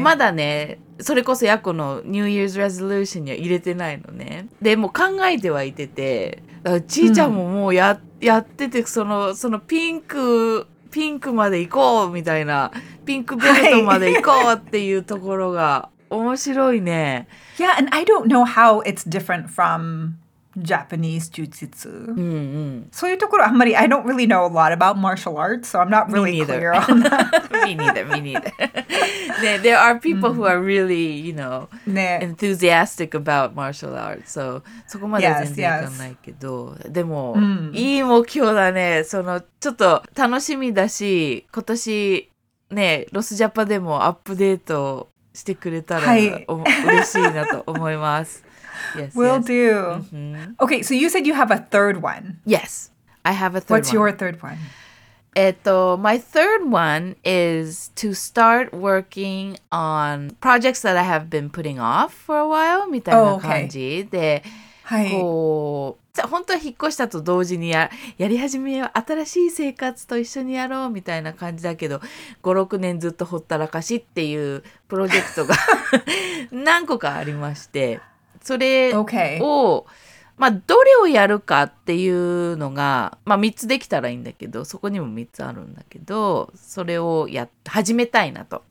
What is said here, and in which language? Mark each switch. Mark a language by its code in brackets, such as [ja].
[ja] まだね、それこそヤッコの [en] New Year's Resolution [ja] には入れてないのね。でも考えてはいてて、だからちーちゃんももう やってて、そのピンクまで行こうみたいな、ピンクベルトまで行こうっていうところが面白いね。 [en] Yeah, and I don't know how it's different from Japanese jiu-jitsu. So you talk about, I don't really know a lot about martial arts, so I'm not really clear on that. me neither. There are people who are really, you know, enthusiastic about martial arts. [ja] So, そこまで全然いかないけど、でも、いい目標だね。その、ちょっと楽しみだし、今年、ね、ロスジャパでもアップデートしてくれたら、嬉しいなと思います。 [en] Yes, Will yes. do. Mm-hmm. Okay, so you said you have a third one. Yes, I have a third What's your third one? My third one is to start working on projects that I have been putting off for a while, [ja] みたいな感じで、はい、こう、本当は引っ越したと同時にやり始めよう、新しい生活と一緒にやろうみたいな感じだけど、5、6年ずっとほったらかしっていうプロジェクトが何個かありまして、それを、まあ、どれをやるかっていうのが、まあ、3つできたらいいんだけど、そこにも3つあるんだけど、それを始めたいなと。